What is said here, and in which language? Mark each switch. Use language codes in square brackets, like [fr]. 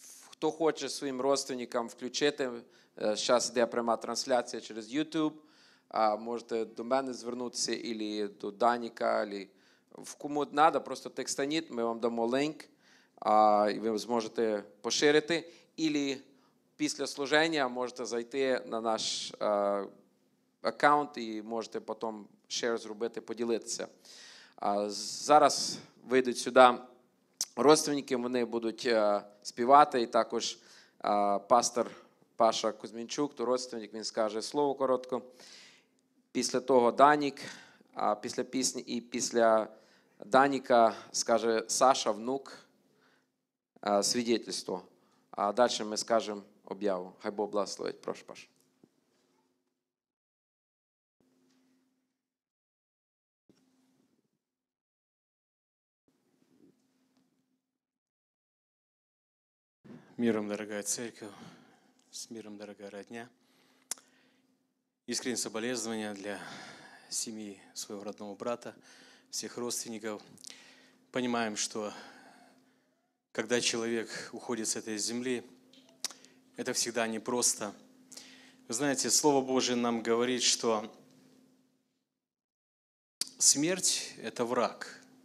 [uk] Хто хоче своїм родственникам включити, зараз йде пряма трансляція через YouTube. Можете до мене звернутися, або до Даніка, або в кому треба, просто текстаніт, ми вам дамо линк, і ви зможете поширити. Або після служення можете зайти на наш аккаунт і можете потім шер зробити, поділитися. Зараз вийдуть сюди родственники, вони будуть співати, і також пастор Паша Кузьмінчук, то родственник, він скаже слово коротко. Після того Данік, після пісні і після Даніка скаже Саша, внук, свідчення. А далі ми скажемо об'яву. Хай Бог благословить. Прошу, Паш. Миром, дорога церква, з миром, дорога родня. [ru] Искренние соболезнования для семьи своего родного брата, всех родственников. Понимаем, что когда человек уходит с этой земли, это всегда непросто. Вы знаете, Слово Божие нам говорит, что смерть – это враг.